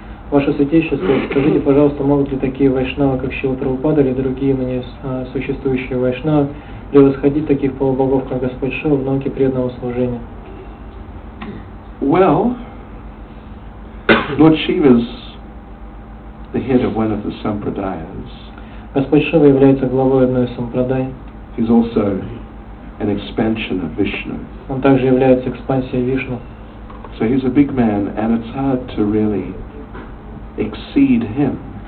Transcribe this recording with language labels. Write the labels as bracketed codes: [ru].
[ru] Ваше святейшество, скажите, пожалуйста, могут ли такие вайшнавы, как Шрила Прабхупада или другие ныне существующие вайшнавы, превосходить таких полубогов, как Господь Шива, в науке преданного служения? [en] Well, Lord Shiva is the head of one of the sampradayas. [ru] Господь Шива является главой одной из сампрадай. [en] He's also an expansion of Vishnu. [ru] Он также является экспансией Вишну. [en] So he's a big man, and it's hard to really exceed him.